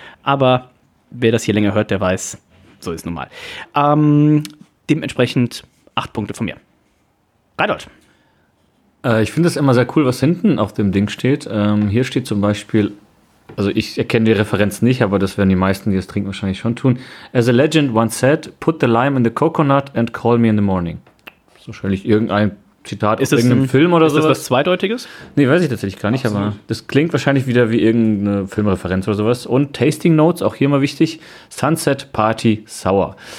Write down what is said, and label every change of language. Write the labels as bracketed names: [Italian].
[German] Aber wer das hier länger hört, der weiß, so ist es nun mal. Dementsprechend 8 Punkte von mir. Reinhold. Ich finde es immer sehr cool, was hinten auf dem Ding steht. Hier steht zum Beispiel, also ich erkenne die Referenz nicht, aber das werden die meisten, die es trinken, wahrscheinlich schon tun. [English] As a legend once said, put the lime in the coconut and call me in the morning. [German] Das ist wahrscheinlich irgendein Zitat aus irgendeinem Film oder sowas. Ist das was Zweideutiges? Nee, weiß ich tatsächlich gar nicht, aber das klingt wahrscheinlich wieder wie irgendeine Filmreferenz oder sowas. Und Tasting Notes, auch hier mal wichtig, Sunset Party Sour.